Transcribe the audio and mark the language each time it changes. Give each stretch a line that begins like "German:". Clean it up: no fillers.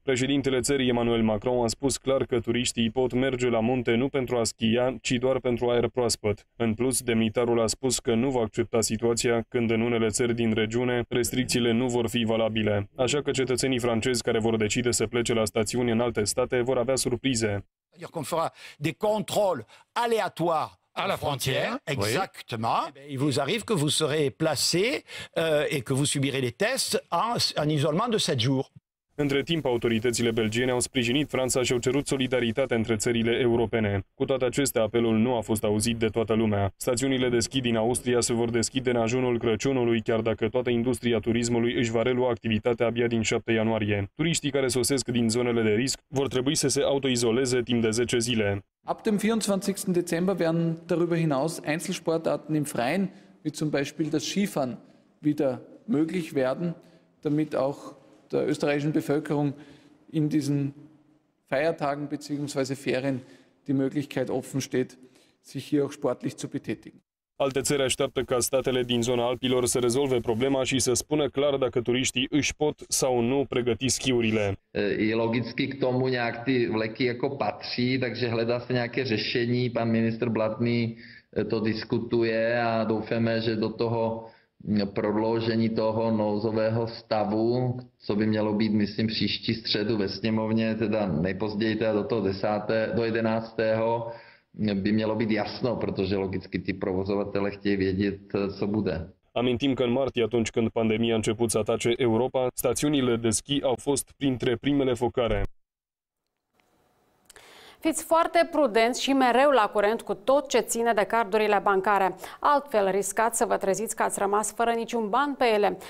Romanian: Președintele țării Emmanuel Macron a spus clar că turiștii pot merge la munte nu pentru a schia, ci doar pentru aer proaspăt. În plus, demnitarul a spus că nu va accepta situația când în unele țări din regiune restricțiile nu vor fi valabile. Așa că cetățenii francezi care vor decide să plece la stațiuni în alte state vor avea surprize.
French: Qu'on fera des contrôles aléatoires à la frontière, exactement. Oui. Et il vous arrive que vous serez placé et que vous subirez les tests en isolement de 7 jours.
Romanian: Între timp, autoritățile belgiene au sprijinit Franța și au cerut solidaritate între țările europene. Cu toate acestea, apelul nu a fost auzit de toată lumea. Stațiunile de schi din Austria se vor deschide în ajunul Crăciunului, chiar dacă toată industria turismului își va relua activitatea abia din 7 ianuarie. Turiștii care sosesc din zonele de risc vor trebui să se autoizoleze timp de 10 zile.
German: Ab dem 24. Dezember werden darüber hinaus Einzelsportarten im Freien, wie zum Beispiel das Skifahren, wieder möglich werden, damit auch der österreichischen Bevölkerung in diesen Feiertagen bzw. Ferien die Möglichkeit offen steht, sich hier auch sportlich zu betätigen.
Romanian: Alte țări așteaptă ca statele din zona Alpilor să rezolve problema și să spună clar dacă turiștii își pot sau nu pregăti schiurile.
Czech: Je logicky k tomu nějak ty vleky jako patří, takže hledá se nějaké řešení. Pan ministr Blatný to diskutuje a doufáme, že do toho prodloužení toho nouzového stavu, co by mělo být, myslím, příští středu ve sněmovně, teda nejpozději teda do toho 10. do 11. by mělo být jasno, protože logicky ty provozovatele chtějí vědět, co bude.
Romanian: Amintim că în martie, atunci când pandemia a început să atace Europa, stațiunile de schi au fost printre primele focare. Fiți foarte prudenți și mereu la curent cu tot ce ține de cardurile bancare. Altfel, riscați să vă treziți că ați rămas fără niciun ban pe ele.